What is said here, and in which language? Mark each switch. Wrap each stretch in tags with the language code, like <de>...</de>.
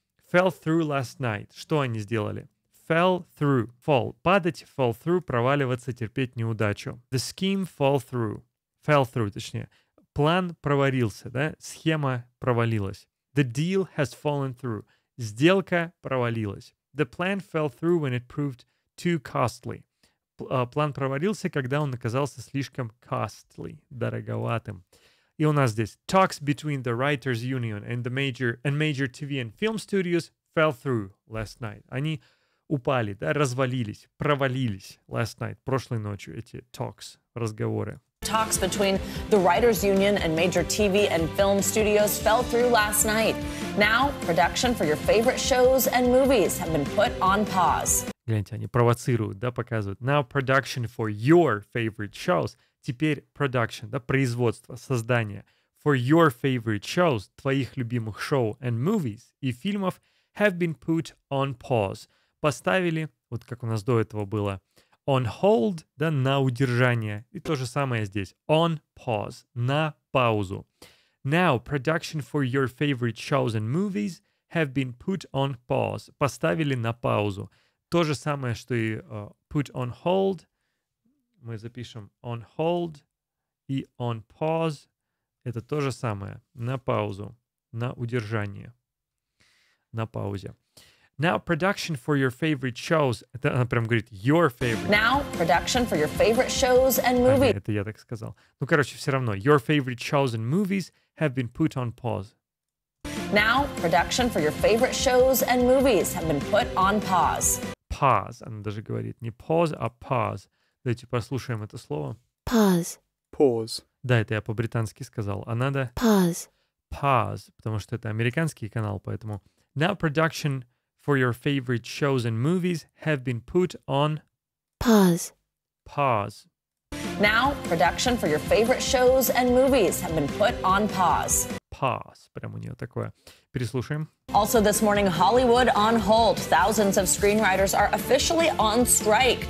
<en>Fell through last night.</en> <ru>Что они сделали?</ru> <en>Fell through. Fall.</en> <ru>Падать.</ru> <en>Fall through.</en> <ru>Проваливаться. Терпеть неудачу.</ru> <en>The scheme fall through. Fell through, точнее.</en> <ru>План провалился, да? Схема провалилась.</ru> <en>The deal has fallen through.</en> <ru>Сделка провалилась.</ru> <en>The plan fell through when it proved too costly.</en> <ru>План провалился, когда он оказался слишком costly, дороговатым. И у нас здесь</ru> <en>talks between the writers union and the major and major TV and film studios fell through last night.</en> <ru>Они упали, да, развалились, провалились</ru> <en>last night,</en> <ru>прошлой ночью, эти talks, разговоры.</ru> <en>Talks between the writers union and major TV and film studios fell through last night. Now, production for your favorite shows and movies have been put on pause.</en> <ru>Гляньте, они провоцируют, да, показывают.</ru> <en>Now production for your favorite shows. Теперь production,</en> <ru>да, производство, создание.</ru> <en>For your favorite shows,</en> <ru>твоих любимых шоу</ru> <en>and movies</en> <ru>и фильмов</ru> <en>have been put on pause.</en> <ru>Поставили, вот как у нас до этого было, on hold, да, на удержание. И то же самое здесь. On pause, на паузу.</ru> <en>Now production for your favorite shows and movies have been put on pause.</en> <ru>Поставили на паузу. То же самое, что и put on hold. Мы запишем on hold и on pause. Это то же самое. На паузу. На удержание. На паузе.</ru> <en>Now production for your favorite shows.</en> <ru>Это она прям говорит your favorite.</ru> <en>Now production for your favorite shows and movies.</en> <ru>А, нет, это я так сказал. Ну, короче, все равно.</ru> <en>Your favorite shows and movies have been put on pause. Now production for your favorite shows and movies have been put on pause.</en> <ru>Pause. Она даже говорит не pause, а pause. Давайте послушаем это слово.</ru> <en>Pause. Pause.</en> <ru>Да, это я по-британски сказал. А надо...</ru> <en>Pause. Pause.</en> <ru>Потому что это американский канал, поэтому...</ru> <en>Now production for your favorite shows and movies have been put on... Pause. Pause. Now production for your favorite shows and movies have been put on pause.</en> <ru>Pause. Прям у нее такое. Переслушаем.</ru> <en>Also this morning, Hollywood on hold. Thousands of screenwriters are officially on strike.</en>